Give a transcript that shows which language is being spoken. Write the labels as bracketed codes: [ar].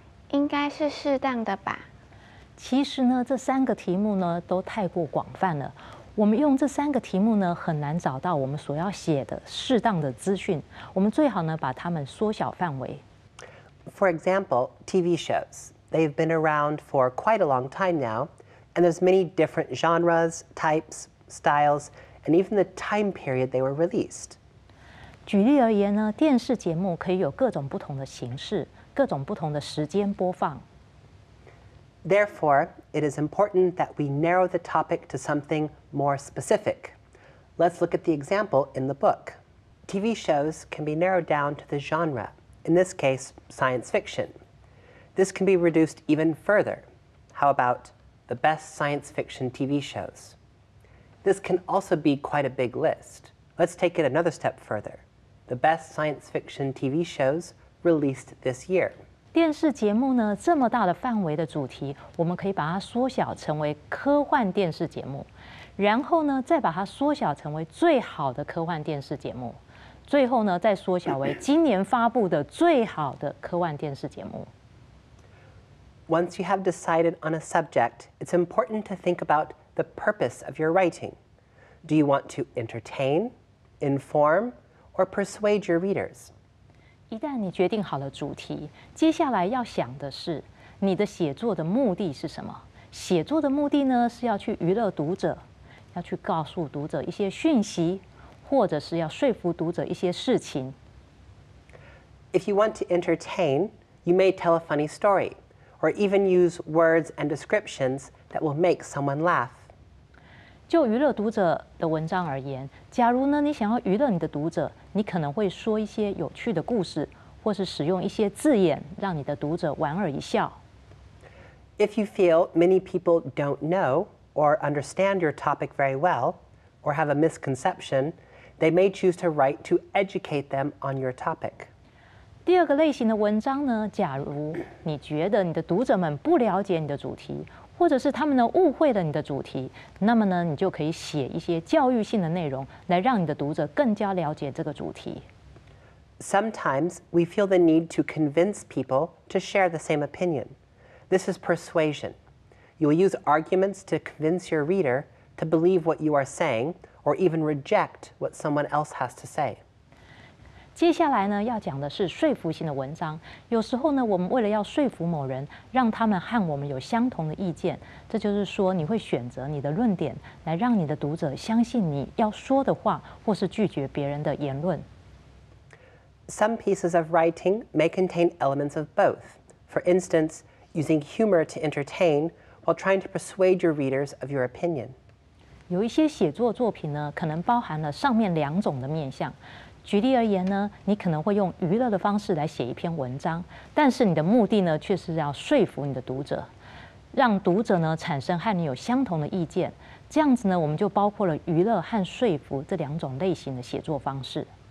[zh] 应该是适当的吧。其实呢，这三个题目呢，都太过广泛了。我们用这三个题目呢，很难找到我们所要写的适当的资讯。我们最好呢，把它们缩小范围。 [en] For example, TV shows. They've been around for quite a long time now, and there's many different genres, types, styles, and even the time period they were released. [zh] 举例而言呢，电视节目可以有各种不同的形式，各种不同的时间播放。 [en] Therefore, it is important that we narrow the topic to something more specific. Let's look at the example in the book. TV shows can be narrowed down to the genre, in this case, science fiction. This can be reduced even further. How about the best science fiction TV shows? This can also be quite a big list. Let's take it another step further. The best science fiction TV shows released this year. [zh] 电视节目呢，这么大的范围的主题，我们可以把它缩小成为科幻电视节目，然后呢，再把它缩小成为最好的科幻电视节目，最后呢，再缩小为今年发布的最好的科幻电视节目。 [en] Once you have decided on a subject, it's important to think about the purpose of your writing. Do you want to entertain, inform, or persuade your readers? [zh] 一旦你决定好了主题，接下来要想的是你的写作的目的是什么？写作的目的呢，是要去娱乐读者，要去告诉读者一些讯息，或者是要说服读者一些事情。 [en] If you want to entertain, you may tell a funny story, or even use words and descriptions that will make someone laugh. [zh] 就娱乐读者的文章而言，假如呢你想要娱乐你的读者，你可能会说一些有趣的故事，或是使用一些字眼，让你的读者莞尔一笑。 [en] If you feel many people don't know or understand your topic very well, or have a misconception, they may choose to write to educate them on your topic. [zh] 第二个类型的文章呢，假如你觉得你的读者们不了解你的主题。或者是他们呢误会了你的主题，那么呢你就可以写一些教育性的内容，来让你的读者更加了解这个主题。 [en] Sometimes we feel the need to convince people to share the same opinion. This is persuasion. You will use arguments to convince your reader to believe what you are saying, or even reject what someone else has to say. [zh] 接下来呢，要讲的是说服性的文章。有时候呢，我们为了要说服某人，让他们和我们有相同的意见，这就是说你会选择你的论点来让你的读者相信你要说的话，或是拒绝别人的言论。 [en] Some pieces of writing may contain elements of both. For instance, using humor to entertain while trying to persuade your readers of your opinion. [zh] 有一些写作作品呢，可能包含了上面两种的面向。举例而言呢，你可能会用娱乐的方式来写一篇文章，但是你的目的呢，却是要说服你的读者，让读者呢产生和你有相同的意见。这样子呢，我们就包括了娱乐和说服这两种类型的写作方式。